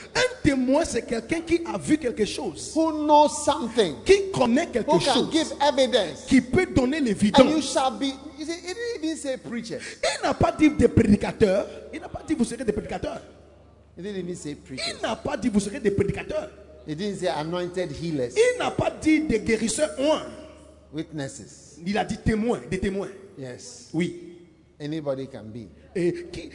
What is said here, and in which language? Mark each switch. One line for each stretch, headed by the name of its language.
French: Un témoin, c'est quelqu'un qui a vu quelque chose.
English: Who knows something.
French: Qui connaît quelque
English: who
French: chose.
English: Who can give evidence.
French: Qui peut donner l'évidence.
English: And you shall be, you see, he didn't say preacher.
French: Il n'a pas dit des prédicateurs. Il n'a pas dit vous serez des prédicateurs.
English: He didn't say preacher.
French: Il n'a pas dit vous serez des prédicateurs.
English: He didn't say anointed healers.
French: Il n'a pas dit des guérisseurs. Un.
English: Witnesses.
French: Il a dit témoins, des témoins.
English: Yes.
French: Oui.
English: Anybody can be.
French: Qui,